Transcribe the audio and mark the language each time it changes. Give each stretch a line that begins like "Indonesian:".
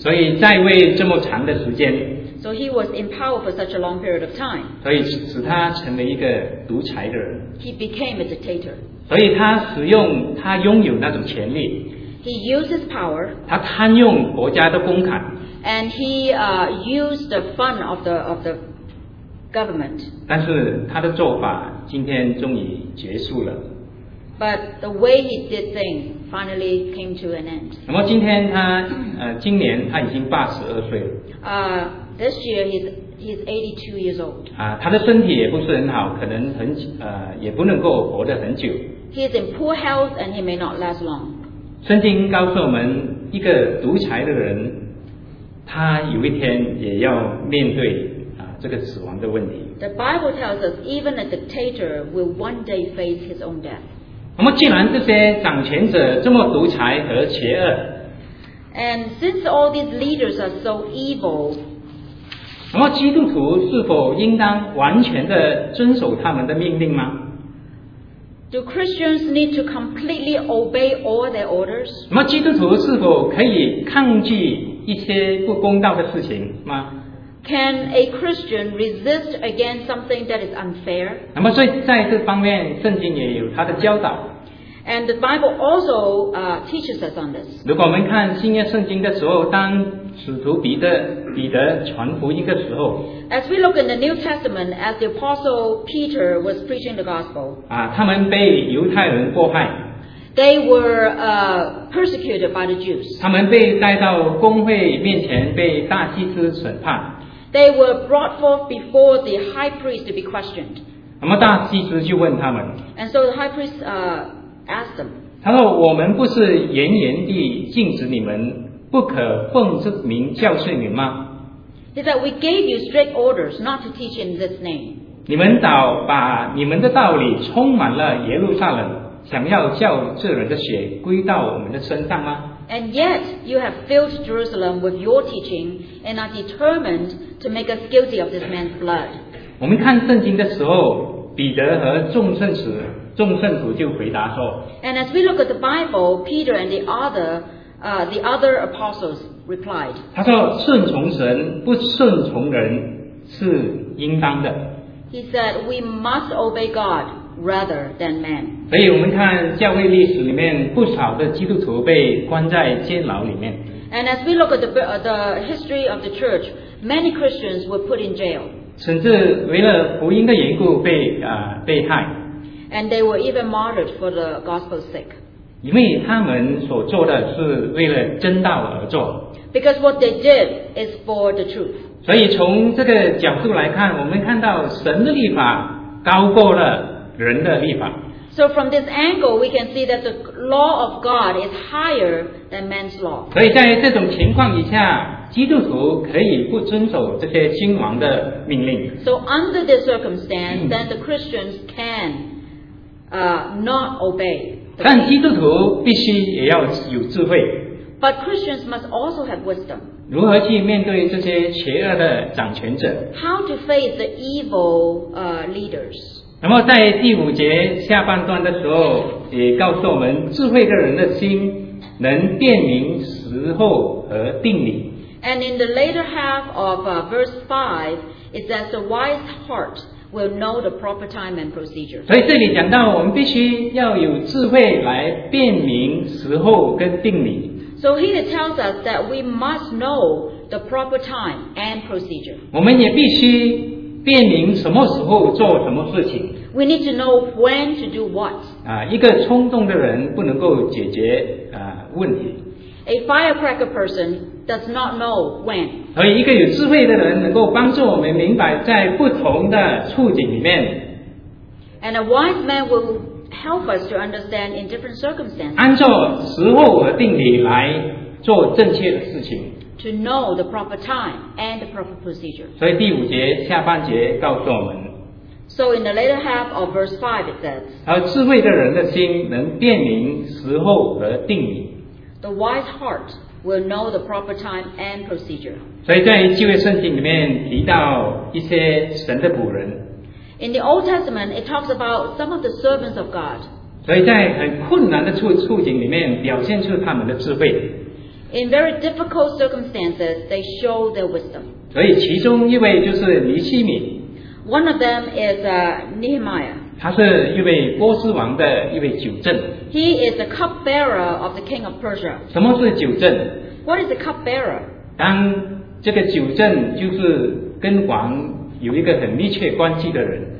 Chinese: 所以在位这么长的时间。
English: So he was in power for such a long period of time.
Chinese: 所以使他成为一个独裁的人。
English: He became a dictator.
Chinese: 所以他使用他拥有那种权力。
English: He used his power.
Chinese: 他贪用国家的公款。
English: And he used the fund of the government.
Chinese: 但是他的做法今天终于结束了。
English: But the way he did things finally came to an end.
Chinese: 那么今天他今年他已经82岁了。
English: This year he's 82 years old.
Chinese: 他的身体也不是很好，可能很也不能够活得很久。
English: He's in poor health and he may not last long.
Chinese: 圣经告诉我们，一个独裁的人，他有一天也要面对这个死亡的问题。
English: The Bible tells us even a dictator will one day face his own death.
Chinese: 那么既然这些掌权者这么独裁和邪恶，
English: And since all these leaders are so evil,
Chinese: 那么基督徒是否应当完全的遵守他们的命令吗？
English: Do Christians need to completely obey all their orders?
Chinese: 那么基督徒是否可以抗拒一些不公道的事情吗？
English: Can a Christian resist against something that is unfair?
Chinese: 那么所以在这方面圣经也有它的教导。
English: And the Bible also teaches us on this.
Chinese: 如果我们看新约圣经的时候，当使徒彼得传福音的时候，
English: As we look in the New Testament, as the Apostle Peter was preaching the gospel,
Chinese: 他们被犹太人迫害。
English: They were persecuted by the Jews.
Chinese: 他们被带到公会面前被大祭司审判。
English: They were brought forth before the high priest to be questioned.
Chinese: 那么大祭司就问他们。
English: And so the high priest asked them.
Chinese: 他说我们不是严严地禁止你们不可奉这名教训你吗？
English: He said we gave you strict orders not to teach in this name.
Chinese: 你们倒把你们的道理充满了耶路撒冷，想要叫这人的血归到我们的身上吗？
English: And yet, you have filled Jerusalem with your teaching and are determined to make us guilty of this man's blood.
Chinese: 我们看圣经的时候，彼得和众圣徒就回答说。
English: And as we look at the Bible, Peter and the other apostles replied.
Chinese: 他说，顺从神，不顺从人是应当的。
English: He said, we must obey God. Rather than man.
Chinese: 所以我们看教会历史里面不少的基督徒被关在监牢里面。
English: And as we look at the history of the church, many Christians were put in jail.
Chinese: 甚至为了福音的缘故被害。
English: And they were even martyred for the gospel's sake.
Chinese: 因为他们所做的是为了真道而做。
English: Because what they did is for the truth.
Chinese: 所以从这个角度来看，我们看到神的律法高过了。人的立法。
English: So from this angle, we can see that the law of God is higher than man's law.
Chinese: 所以在这种情况以下，基督徒可以不遵守这些君王的命令。
English: So under this circumstance, then the Christians can not obey.
Chinese: 但基督徒必须也要有智慧。
English: But Christians must also have wisdom.
Chinese: 如何去面对这些邪恶的掌权者？
English: How to face the evil leaders?
Chinese: 那么在第五节下半段的时候，也告诉我们智慧的人的心能辨明时候和定理。
English: And in the later half of verse 5, it says the wise heart will know the proper time and procedure.
Chinese: 所以这里讲到我们必须要有智慧来辨明时候跟定理。
English: So here it tells us that we must know the proper time and procedure.
Chinese: 我们也必须辨明什么时候做什么事情。
English: We need to know when to do what.
Chinese: 一个冲动的人不能够解决问题。
English: A firecracker person does not know when.
Chinese: 所以一个有智慧的人能够帮助我们明白在不同的处境里面。
English: And a wise man will help us to understand in different circumstances.
Chinese: 按照时候和定理来做正确的事情。
English: To know the proper time and the proper procedure.
Chinese: 所以第五节下半节告诉我们。
English: So in the later half of verse 5 it says.
Chinese: 而智慧的人的心能辨明时候和定理。
English: The wise heart will know the proper time and procedure.
Chinese: 所以在旧约圣经里面提到一些神的仆人。
English: In the Old Testament, it talks about some of the servants of God.
Chinese: 所以在很困难的处境里面表现出他们的智慧。
English: In very difficult circumstances, they show their wisdom.
Chinese: 所以其中一位就是尼希米。
English: One of them is Nehemiah.
Chinese: 他是一位波斯王的一位酒政。
English: He is the cupbearer of the king of Persia.
Chinese: 什么是酒政？
English: What is a cupbearer?
Chinese: 当这个酒政就是跟王有一个很密切关系的人。